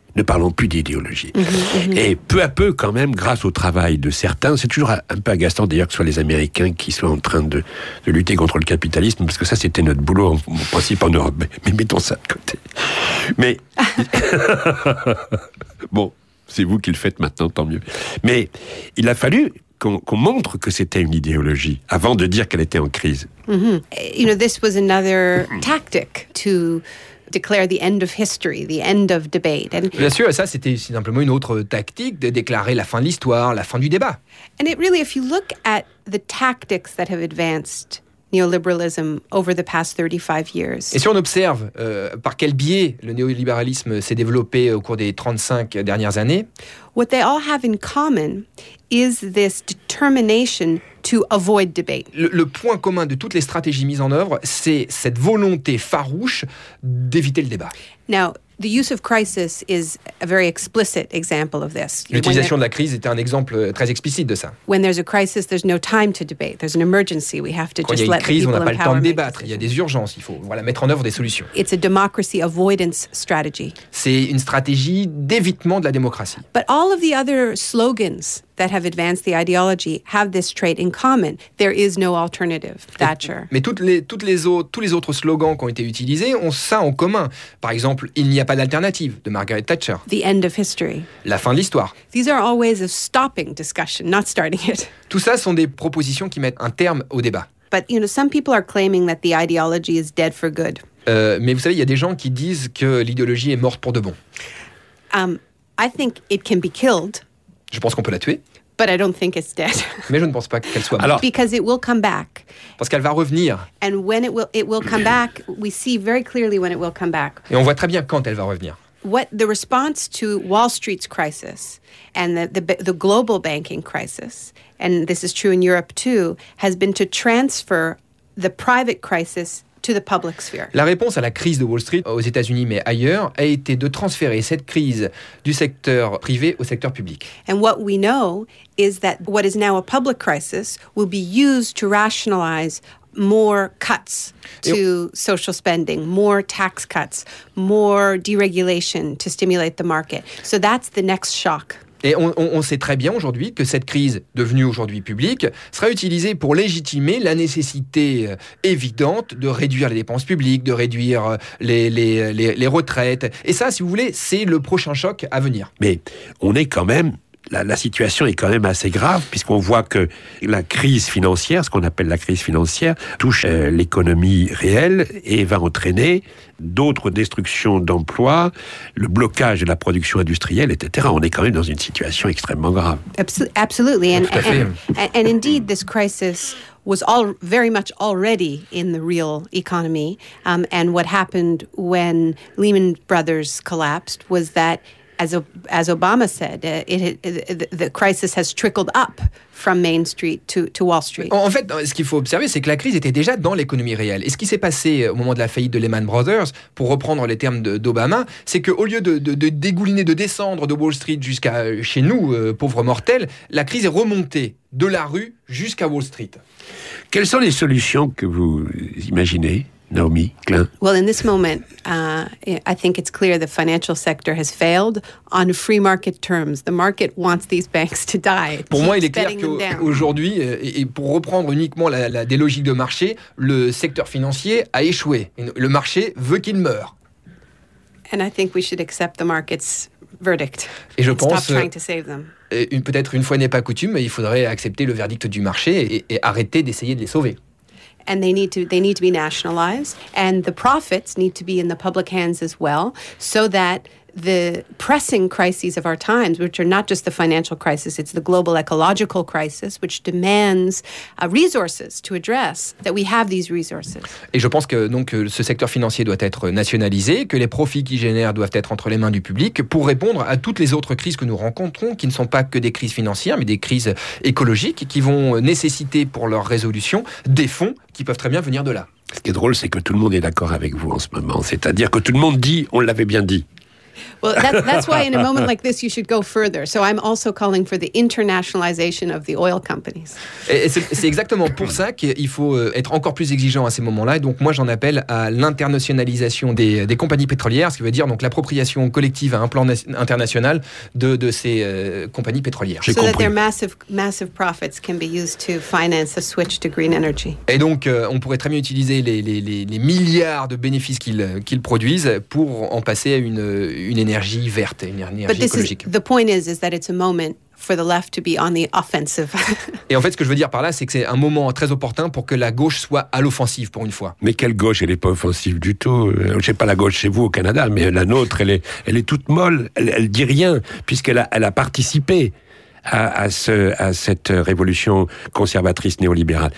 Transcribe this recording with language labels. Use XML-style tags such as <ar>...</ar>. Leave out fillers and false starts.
<fr>Ne parlons plus d'idéologie. Et peu à peu, quand même, grâce au travail de certains, c'est toujours un peu agaçant d'ailleurs que ce soit les Américains qui soient en train de lutter contre le capitalisme, parce que ça c'était notre boulot en principe en Europe. Mais mettons ça de côté. Mais... bon, c'est vous qui le faites maintenant, tant mieux. Mais il a fallu qu'on montre que c'était une idéologie avant de dire qu'elle était en crise.</fr> <en>You know, this was another tactic to declare the end of history, the end of debate. And</en> <fr>bien sûr, ça c'était simplement une autre tactique de déclarer la fin de l'histoire, la fin du débat.</fr> <en>And it really, if you look at the tactics that have advanced neoliberalism over the past 35 years.</en> <fr>Et si on observe par quel biais le néolibéralisme s'est développé au cours des 35 dernières années,</fr> <en>what they all have in common is this determination to avoid debate.</en> <fr>Le point commun de toutes les stratégies mises en œuvre, c'est cette volonté farouche d'éviter le débat.</fr> <en>Now, The use of crisis is a very explicit example of this.</en> <fr>L'utilisation de la crise était un exemple très explicite de ça.</fr> <en>When there's a crisis, there's no time to debate. There's an emergency. We have to</en> <fr>Quand</fr> <en>just let</en> <fr>crise,</fr> <en>the people</en> <fr>on n'a pas</fr> <en>empower</en> <fr>le temps de débattre. Il y a des urgences. Il faut voilà mettre en œuvre des solutions.</fr> <en>It's a democracy avoidance strategy.</en> <fr>C'est une stratégie d'évitement de la démocratie.</fr> <en>But all of the other slogans that have advanced the ideology have this trait in common. There is no alternative, Thatcher.</en> <fr>Mais tous les autres slogans qui ont été utilisés ont ça en commun. Par exemple, il n'y a pas d'alternative de Margaret Thatcher.</fr> <en>The end of history.</en> <fr>La fin de l'histoire.</fr> <en>These are all ways of stopping discussion, not starting it.</en> <fr>Tout ça sont des propositions qui mettent un terme au débat.</fr> <en>But you know, some people are claiming that the ideology is dead for good.</en> <fr>Mais vous savez, il y a des gens qui disent que l'idéologie est morte pour de bon.</fr> <en>I think it can be killed.</en> <fr>Je pense qu'on peut la tuer.</fr> <en>But I don't think it's dead.</en> <fr>Mais je ne pense pas qu'elle soit morte.</fr> <en>Because it will come back.</en> <fr>Parce qu'elle va revenir.</fr> <en>And when it will come back, we see very clearly when it will come back.</en> <fr>Et on voit très bien quand elle va revenir.</fr> <en>What the response to Wall Street's crisis and the global banking crisis, and this is true in Europe too, has been to transfer the private crisis to the public sphere.</en> <fr>La réponse à la crise de Wall Street aux États-Unis mais ailleurs a été de transférer cette crise du secteur privé au secteur public.</fr> <en>And what we know is that what is now a public crisis will be used to rationalize more cuts to social spending, more tax cuts, more deregulation to stimulate the market. So that's the next shock.</en> <fr>Et on sait très bien aujourd'hui que cette crise devenue aujourd'hui publique sera utilisée pour légitimer la nécessité évidente de réduire les dépenses publiques, de réduire les retraites. Et ça, si vous voulez, c'est le prochain choc à venir. Mais on est quand même, la situation est quand même assez grave puisqu'on voit que la crise financière, ce qu'on appelle la crise financière, touche l'économie réelle et va entraîner d'autres destructions d'emplois, le blocage de la production industrielle, etc. On est quand même dans une situation extrêmement grave.</fr> <en>Absolutely, and indeed, this crisis was all very much already in the real economy. And what happened when Lehman Brothers collapsed was that, as Obama said, the crisis has trickled up from Main Street to Wall Street.</en> <fr>En fait, ce qu'il faut observer, c'est que la crise était déjà dans l'économie réelle. Et ce qui s'est passé au moment de la faillite de Lehman Brothers, pour reprendre les termes d'Obama, c'est qu'au lieu de dégouliner, de descendre de Wall Street jusqu'à chez nous, pauvres mortels, la crise est remontée de la rue jusqu'à Wall Street. Quelles sont les solutions que vous imaginez, Naomi Klein?</fr> <en>Well, in this moment, I think it's clear the financial sector has failed on free market terms. The market wants these banks to die.</en> <fr>Pour moi, il est clair qu'aujourd'hui, et pour reprendre uniquement des logiques de marché, le secteur financier a échoué. Le marché veut qu'il meure.</fr> <en>And I think we should accept the market's verdict.</en> <fr>Et je pense,</fr> <en>stop trying to save them.</en> <fr>Peut-être une fois n'est pas coutume, il faudrait accepter le verdict du marché et arrêter d'essayer de les sauver.</fr> <en>And they need to be nationalized, and the profits need to be in the public hands as well, so that the pressing crises of our times, which are not just the financial crisis, it's the global ecological crisis, which demands resources to address, that we have these resources.</en> <fr>Et je pense que donc ce secteur financier doit être nationalisé, que les profits qu'il génère doivent être entre les mains du public pour répondre à toutes les autres crises que nous rencontrons, qui ne sont pas que des crises financières, mais des crises écologiques, qui vont nécessiter pour leur résolution des fonds qui peuvent très bien venir de là. Ce qui est drôle, c'est que tout le monde est d'accord avec vous en ce moment. C'est-à-dire que tout le monde dit, on l'avait bien dit.</fr> <en>Well, that's why in a moment like this, you should go further. So I'm also calling for the internationalization of the oil companies.</en> <fr>C'est exactement pour ça qu'il faut être encore plus exigeant à ces moments-là. Et donc moi, j'en appelle à l'internationalisation des compagnies pétrolières, ce qui veut dire donc l'appropriation collective à un plan international de ces compagnies pétrolières. J'ai</fr> <en>so</en> <fr>compris.</fr> <en>That their massive profits can be used to finance a switch to green energy.</en> <fr>Et donc, on pourrait très bien utiliser les milliards de bénéfices qu'ils produisent pour en passer à une énergie verte, une énergie</fr> <en>But this</en> <fr>écologique.</fr> <en>Is, the point is that it's a moment for the left to be on the offensive.</en> <fr>Et en fait, ce que je veux dire par là, c'est que c'est un moment très opportun pour que la gauche soit à l'offensive pour une fois. Mais quelle gauche? Elle n'est pas offensive du tout. Je ne sais pas la gauche chez vous au Canada, mais la nôtre, elle est toute molle. Elle dit rien, puisqu'elle a participé à cette révolution conservatrice néolibérale.</fr>